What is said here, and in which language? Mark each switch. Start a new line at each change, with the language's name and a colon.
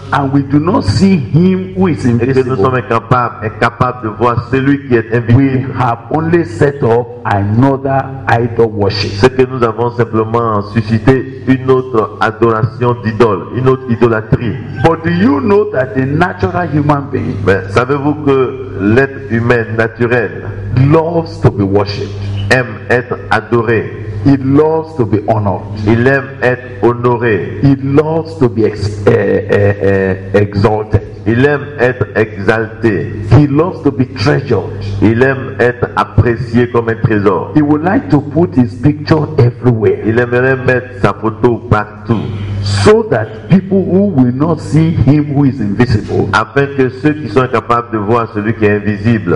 English: And we do not see him who is invisible.
French: Et que nous sommes incapables de voir celui qui est invisible.
English: We have only set up another idol worship.
French: Ce que nous avons simplement suscité une autre adoration d'idole, une autre idolâtrie.
English: But do you know that the natural human being?
French: Mais savez-vous que l'être humain naturel
English: loves to be worshipped.
French: Aime être adoré.
English: He loves to be honored.
French: Il aime être honoré.
English: He loves to be exalted.
French: Il aime être exalté.
English: He loves to be treasured.
French: Il aime être apprécié comme un trésor.
English: He would like to put his picture everywhere.
French: Il aimerait mettre sa photo partout.
English: So that people who will not see him who is invisible,
French: afin que ceux qui sont incapables de voir celui qui est invisible,